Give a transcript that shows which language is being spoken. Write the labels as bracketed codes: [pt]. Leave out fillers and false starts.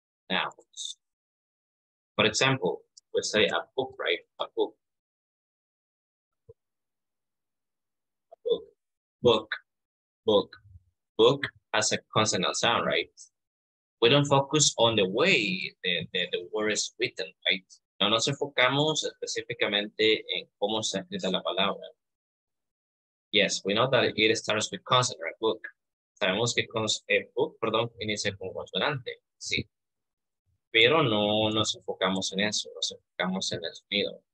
[en] Nouns. For example, we say a book, right? A book. A book. Book. Book. Book has a consonant sound, right? We don't focus on the way the word is written, right? [es] No nos enfocamos específicamente en cómo se escribe la palabra. [en] Yes, we know that it starts with consonant, right? Book. [es] Sabemos que con el book, perdón, inicia con consonante, sí. Pero no nos enfocamos en eso, nos enfocamos en el sonido.